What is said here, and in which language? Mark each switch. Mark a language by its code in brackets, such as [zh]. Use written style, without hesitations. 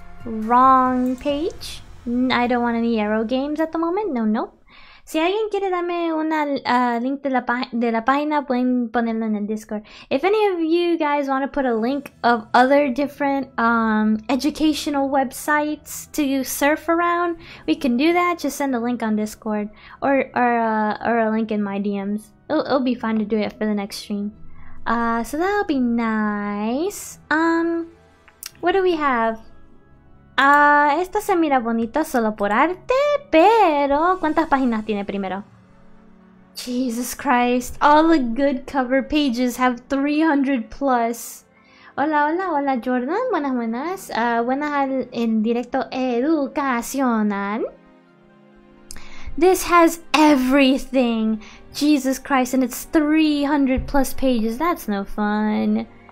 [en] Wrong page. I don't want any arrow games at the moment. No. [es] Si alguien quiere darme una link de la página, pueden ponerlo en el Discord. [en] If any of you guys want to put a link of other different educational websites to surf around, we can do that. Just send a link on Discord or a link in my DMs. It'll be fine to do it for the next stream. So that'll be nice. What do we have? [es] Esta se mira bonita solo por arte, pero ¿cuántas páginas tiene primero? [en] Jesus Christ, all the good cover pages have 300 plus. [es] Hola, hola, hola Jordan, buenas, buenas. Buenas al en directo educacional. [en] This has everything, Jesus Christ, and it's 300 plus pages, that's no fun.